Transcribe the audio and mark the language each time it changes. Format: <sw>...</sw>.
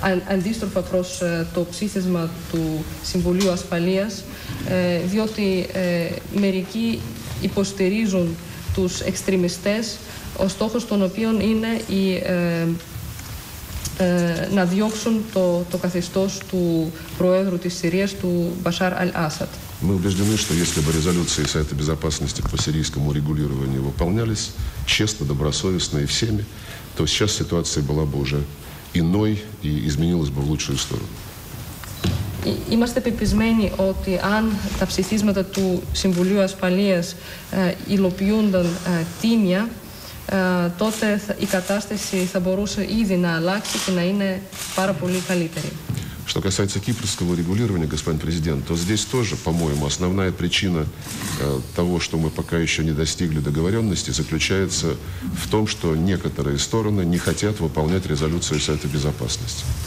<el>αντίστροφα προς το ψήφισμα του Συμβουλίου Ασφαλείας, διότι μερικοί υποστηρίζουν τους εξτρεμιστές, ο στόχος των οποίων είναι να διώξουν το καθεστώς του Προέδρου της Συρίας, του Μπασάρ Αλ-Ασάντ.</el> <ru>Мы убеждены, что если бы резолюции Совета Безопасности по сирийскому регулированию выполнялись честно, добросовестно и всеми, то сейчас ситуация была бы уже иной и изменилась бы в лучшую сторону.</ru> <el>Είμαστε πεπισμένοι ότι αν τα ψηφίσματα του Συμβουλίου Ασφαλείας υλοποιούνταν τίμια, τότε η κατάσταση θα μπορούσε ήδη να αλλάξει και να είναι πάρα πολύ καλύτερη.</el> <ru>Что касается кипрского регулирования, господин президент, то здесь тоже, по-моему, основная причина того, что мы пока еще не достигли договоренности, заключается в том, что некоторые стороны не хотят выполнять резолюцию Совета Безопасности.</ru>